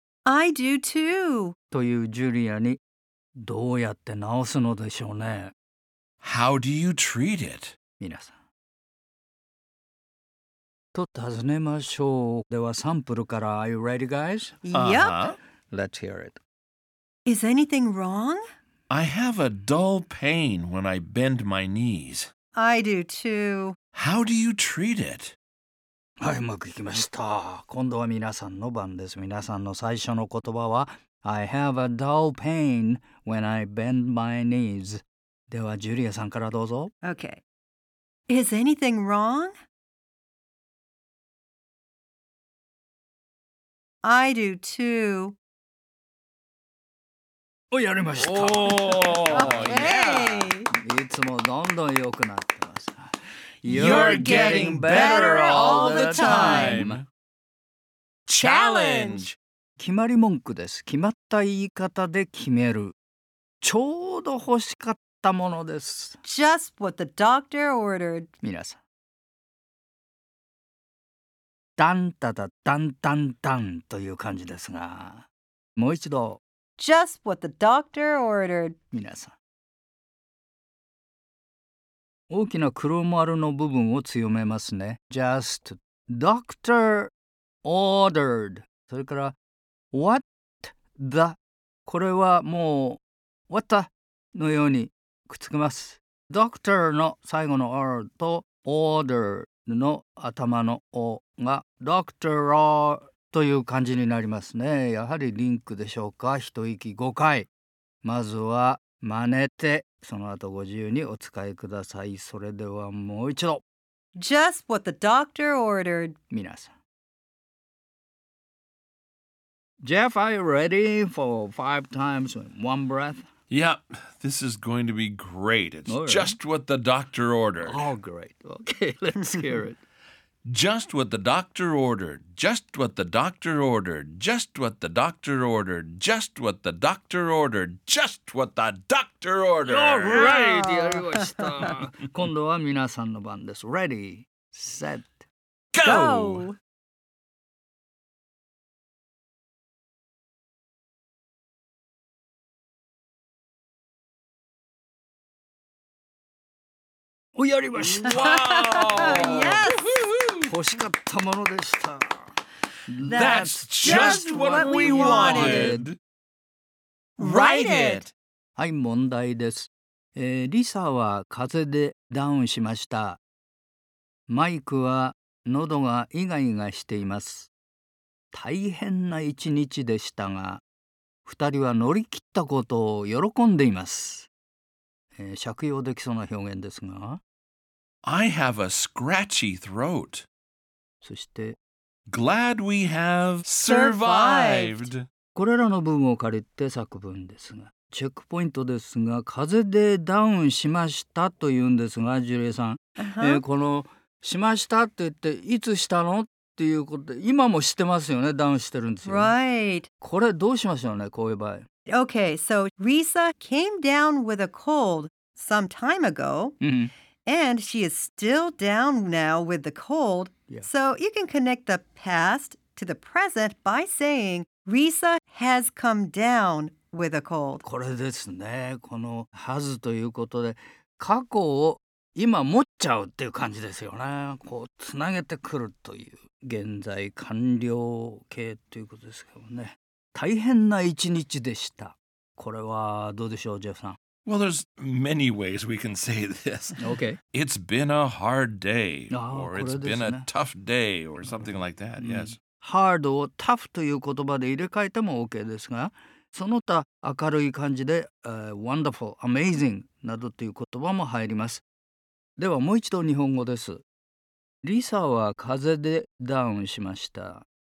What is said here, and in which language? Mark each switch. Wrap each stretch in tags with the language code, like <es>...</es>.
<en>I do too.</en> <ja>というジュリアに、どうやって治すのでしょうね。</ja> <en>How do you treat it?</en> <ja>皆さん。と尋ねましょう。ではサンプルから、</ja> <en>Are you ready, guys? Yep. Let's hear it. Is anything wrong? I have a dull pain when I bend my knees. I do too. How do you treat it?</en> <ja>はい、うまくいきました。今度は皆さんの番です。皆さんの最初の言葉は</ja> <en>I have a dull pain when I bend my knees。</en> <ja>ではジュリアさんからどうぞ。</ja> <en>Okay. Is anything wrong? I do too.</en> <ja>お、やりました。おー、</ja> <en>okay. yeah.</en> <ja>いつもどんどん良くなって</ja> <en>You're getting better all the time! Challenge!</en> <ja>決まり文句です。決まった言い方で決める。ちょうど欲しかったものです。</ja> <en>Just what the doctor ordered.</en> <ja>皆さん。ダンタダダンタンタンという感じですが、もう一度。</ja> <en>Just what the doctor ordered.</en> <ja>皆さん。大きな黒丸の部分を強めますね。</ja> <en>Just doctor ordered。</en> <ja>それから</ja> <en>What the、</en> <ja>これはもう What the のようにくっつけます。 Doctor の最後の R と Order の頭の O が Doctor という感じになりますね。やはりリンクでしょうか。一息5回、まずは真似て、その後ご自由にお使いください。それではもう一度。</ja> <en>Just what the doctor ordered.</en> <ja>皆さん。</ja> <en>Jeff, are you ready for 5 times with 1 breath? Yep, this is going to be great. It's、 right. just what the doctor ordered. Oh, great. Okay, let's hear it. Just what the doctor ordered. Just what the doctor ordered. Just what the doctor ordered. Just what the doctor ordered. Just what the doctor ordered. All right!</en> <ja>やりました。今度は皆さんの番です。</ja> <en>Ready, set, go!</en> <ja>お、やりました。</ja> <en>Wow! Yes!</en> <ja>欲しかったものでした。</ja> <en>That's just what we wanted. Write it!</en> <ja>はい、問題です。リサは風邪でダウンしました。マイクは喉がイガイガしています。大変な一日でしたが、二人は乗り切ったことを喜んでいます。借用できそうな表現ですが、</ja> <en>I have a scratchy throat.</en> <ja>そして</ja> <en>Glad we have survived.</en> <ja>これらの部分を借りて作文ですが、チェックポイントですが、風邪でダウンしましたというんですが、ジュリーさん、</ja> <en>uh-huh.</en> <ja>このしましたって言って、いつしたのっていうことで、今も知ってますよね、ダウンしてるんですよ、ね、</ja> <en>Right.</en> <ja>これどうしましょうね、こういう場合。</ja> <en>Okay, so Risa came down with a cold some time ago. And she is still down now with the cold. Yeah. So you can connect the past to the present by saying, Risa has come down with a cold.</en> <ja>これですね。この has ということで、過去を今持っちゃうっていう感じですよね。こうつなげてくるという。現在完了形ということですけどね。大変な一日でした。これはどうでしょう、ジェフさん。</ja> <en>Well, there's many ways we can say this. Okay. It's been a hard day, or it's been a tough day, or something like that, yes.</en> <ja>Hard を tough という言葉で入れ替えても OK ですが、その他明るい感じで、wonderful, amazing などという言葉も入ります。ではもう一度日本語です。リサは風邪でダウンしました。</ja>